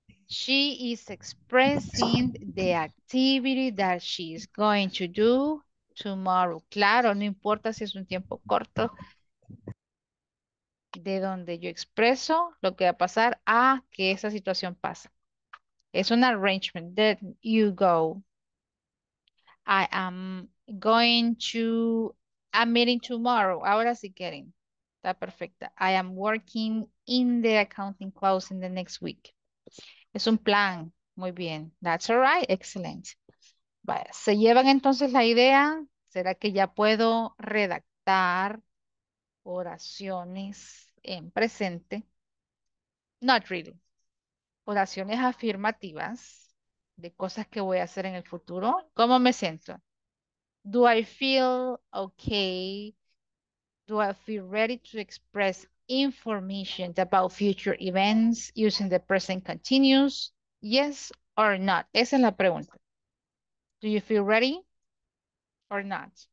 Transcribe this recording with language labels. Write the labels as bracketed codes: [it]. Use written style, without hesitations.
[en] She is expressing the activity that she is going to do tomorrow. [es] Claro, no importa si es un tiempo corto. de donde yo expreso lo que va a pasar a que esa situación pasa. Es un arrangement. [en] Then you go. I am going to a meeting tomorrow. [es] Ahora sí quieren. Está perfecta. [en] I am working in the accounting clause in the next week. [es] Es un plan. Muy bien. [en] That's all right. Excellent. [es] Vaya. ¿Se llevan entonces la idea? ¿Será que ya puedo redactar oraciones en presente? [en] Not really. [es] Oraciones afirmativas de cosas que voy a hacer en el futuro. ¿Cómo me siento? [en] Do I feel okay? Do I feel ready to express information about future events using the present continuous? Yes or not? [es] Esa es la pregunta. [en] Do you feel ready or not?